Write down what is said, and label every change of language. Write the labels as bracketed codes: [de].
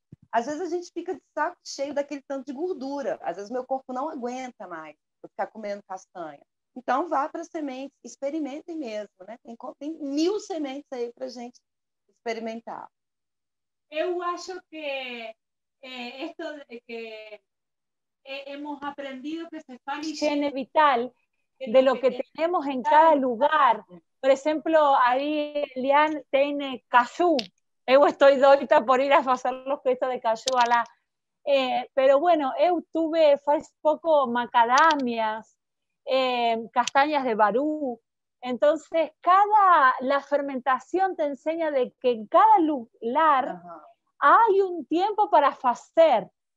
[pt] Às vezes a gente fica de saco cheio daquele tanto de gordura. Às vezes meu corpo não aguenta mais ficar comendo castanha. Então, vá para sementes, experimentem mesmo, né? Tem mil sementes aí para gente experimentar. Eu acho que isso que [es] hemos aprendido [pt] que se fala... [es] Higiene vital de lo que tenemos en cada lugar. [pt] Por exemplo, aí Lian tem cachú. Eu estou doida por ir a fazer os queijos de caju, alá. [es] Pero bueno, [pt] eu tuve faz pouco macadamias, castanhas de barú. Então, a fermentação [es] te enseña [pt] de que em cada lugar há um tempo para fazer.